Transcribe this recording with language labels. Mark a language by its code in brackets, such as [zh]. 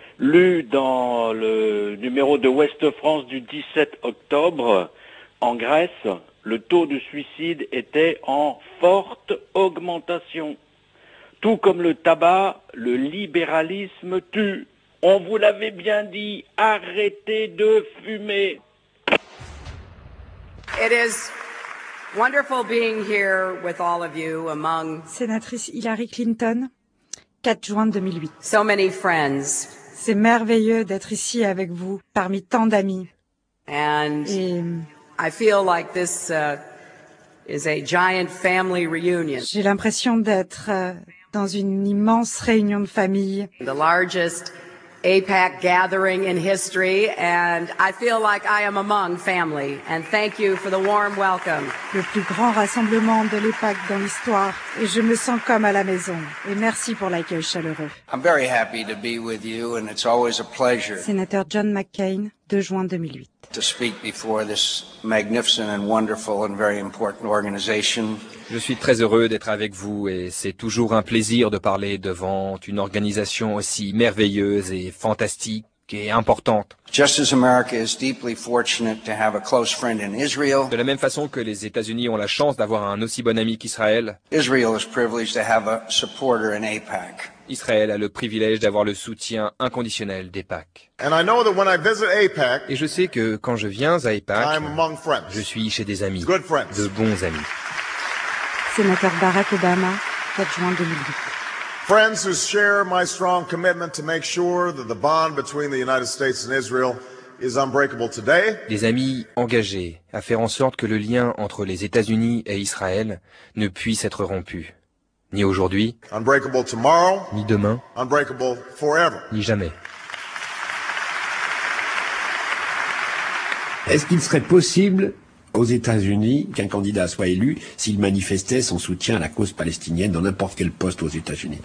[fr] Lu dans le numéro de Ouest-France du 17 octobre, en Grèce, le taux de suicide était en forte augmentation. Tout comme le tabac, le libéralisme tue. On vous l'avait bien dit, arrêtez de fumer. [en] It is wonderful being here with all of you among [fr] Sénatrice Hillary Clinton, 4 juin 2008. [en] So many friends. [fr] C'est merveilleux d'être ici avec vous parmi tant d'amis. [en] And I feel like this is a giant family reunion. [fr] J'ai l'impression d'être dans une immense réunion de famille. [en] The largest APAC gathering in history, and I feel like I am among family. And thank you for the warm welcome. [fr] Le plus grand rassemblement de l'APAC dans l'histoire, et je me sens comme à la maison. Et merci pour l'accueil chaleureux. [en] I'm very happy to be with you, and it's always a pleasure. [fr] Sénateur John McCain, 2 juin 2008. [en] To speak before this magnificent and wonderful and very important organization. [fr] Je suis très heureux d'être avec vous et c'est toujours un plaisir de parler devant une organisation aussi merveilleuse et fantastique et importante. [en] Just as America is deeply fortunate to have a close friend in Israel. [fr] De la même façon que les États-Unis ont la chance d'avoir un aussi bon ami qu'Israël. [en] Israel is privileged to have a supporter in APAC. [fr] Israël a le privilège d'avoir le soutien inconditionnel d'APAC. [en] And I know that when I visit APAC, [fr] et je sais que quand je viens à APAC, [en] I'm among friends. [fr] Je suis chez des amis, [en] good friends. [fr] De bons amis. Sénateur Barack Obama, 4 juin 2008. [en] Friends who share my strong commitment to make sure that the bond between the United States and Israel is unbreakable today. [fr] Des amis engagés à faire en sorte que le lien entre les États-Unis et Israël ne puisse être rompu. Ni aujourd'hui, [en] unbreakable tomorrow, [fr] ni demain, [en] unbreakable forever. [fr] Ni jamais. Est-ce qu'il serait possible aux États-Unis qu'un candidat soit élu s'il manifestait son soutien à la cause palestinienne dans n'importe quel poste aux États-Unis?